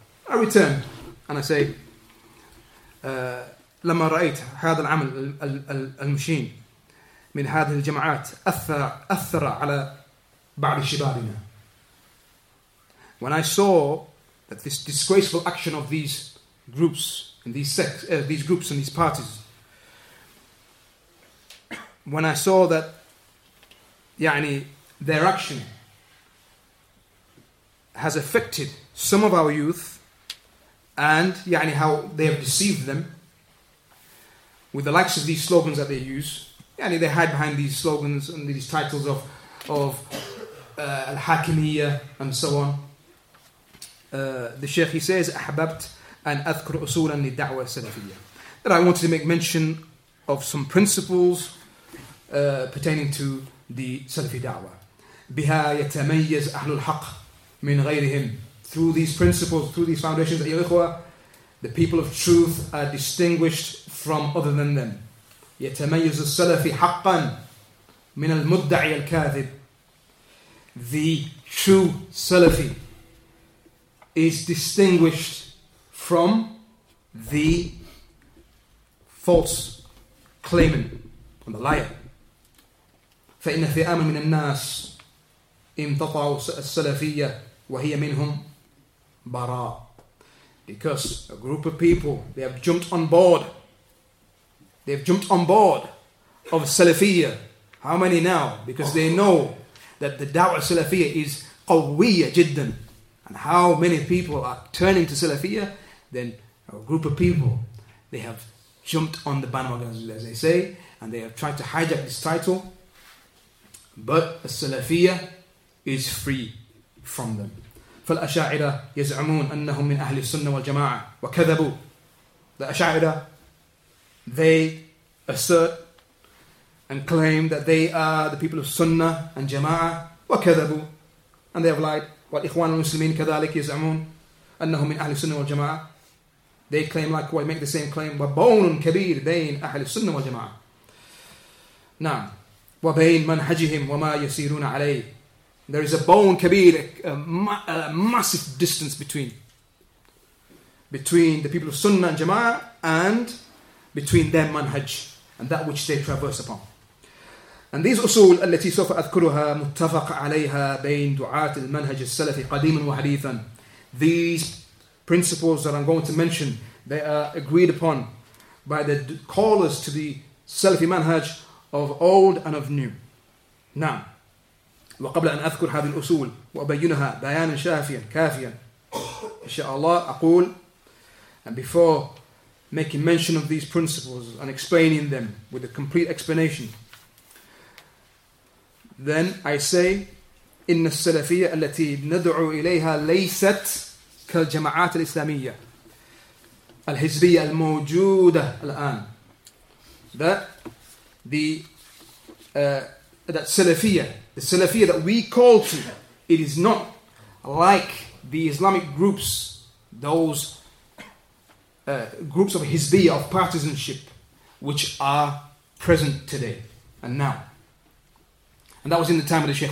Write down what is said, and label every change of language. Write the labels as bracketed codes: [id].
[en] I return and I say, [ar] لما رأيت هذا العمل المشين من هذه الجماعات أثر على بعض شبابنا. [en] When I saw that this disgraceful action of these groups and these sects, these groups and these parties, when I saw that [ar] يعني, [en] their action has affected some of our youth and يعني, how they have deceived them with the likes of these slogans that they use, يعني, they hide behind these slogans and these titles of Al-Hakimiyya and so on. The Shaykh, he says, [ar] أحببت أن أذكر أصولا للدعوة السلفية. [en] That I wanted to make mention of some principles pertaining to the Salafi da'wah. [ar] بها يتميز أهل الحق من غيرهم. [en] Through these principles, through these foundations, the people of truth are distinguished from other than them. [ar] يتميز السلفي حقا من المدعي الكاذب. [en] The true Salafi is distinguished from the false claimant and the liar. [ar] فإن فئاما من الناس امتطعوا السلفية وهي منهم براء. [en] Because a group of people, they have jumped on board of Salafiyya. How many now? Because they know that the da'wah Salafiyya is [ar] قوية جدا. [en] And how many people are turning to Salafiyya? Then a group of people, they have jumped on the bandwagon, as they say, and they have tried to hijack this title. But the Salafiyya is free from them. [ar] فَالْأَشَاعِرَ يَزْعَمُونَ أَنَّهُمْ مِنْ أَهْلِ السُنَّةِ وَالْجَمَاعَةِ وَكَذَبُوا. [en] The Ash'a'ira, they assert and claim that they are the people of Sunnah and Jama'ah. [ar] وَكَذَبُوا. [en] And they have lied. [ar] والإخوان المسلمين كذلك يزعمون أنهم من أهل السنة والجماعة. [en] They claim likewise, make the same claim. [ar] وبون كبير بين أهل السنة والجماعة. نعم. وبين منهجهم وما يسيرون عليه. [en] There is a bone [ar] كبير, [en] a massive distance between the people of Sunnah and Jama'ah and between their manhaj and that which they traverse upon. And these [ar] أصول التي سوف أذكرها متفق عليها بين دعاة المنهج السلفي قديما وحديثا. [en] These principles that I'm going to mention, they are agreed upon by the callers to the Salafi manhaj of old and of new. [ar] نعم. وقبل أن أذكر هذه الأصول وأبينها بيانا شافيا كافيا إن شاء الله أقول. [en] And before making mention of these principles and explaining them with a complete explanation, then I say, [ar] إن السلفية التي ندعو إليها ليست كالجماعات الإسلامية الحزبية الموجودة الآن. [en] That Salafiyya that we call to, it is not like the Islamic groups, those groups of Hizbiyya, of partisanship, which are present today and now. And that was in the time of the Sheikh.